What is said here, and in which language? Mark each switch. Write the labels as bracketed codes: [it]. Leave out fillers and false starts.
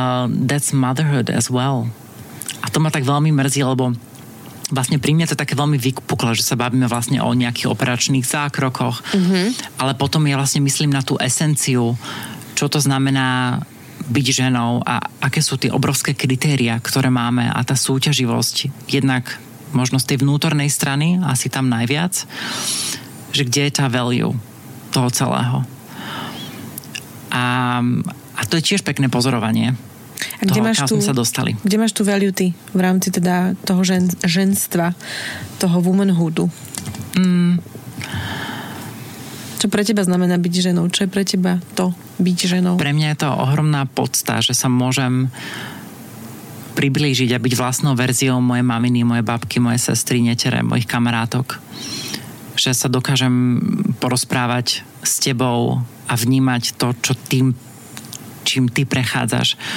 [en] That's motherhood as well. [sk] A to ma tak veľmi mrzí, lebo vlastne pri mne to je také veľmi vypuklé, že sa bavíme vlastne o nejakých operačných zákrokoch, ale potom ja vlastne myslím na tú esenciu, čo to znamená byť ženou a aké sú tie obrovské kritériá, ktoré máme a tá súťaživosť, jednak možno z tej vnútornej strany, asi tam najviac, že kde je tá value toho celého. A to je tiež pekné pozorovanie. A kde máš kam tú, sme sa dostali. Kde máš tú value ty v rámci teda toho ženstva, toho womanhoodu? Čo pre teba znamená byť ženou? Čo je pre teba to byť ženou? Pre mňa je to ohromná pocta, že sa môžem priblížiť a byť vlastnou verziou mojej maminy, mojej babky, mojej sestry, netere, mojich kamarátok. Že sa dokážem porozprávať s tebou a vnímať to, čo tým, čím ty prechádzaš.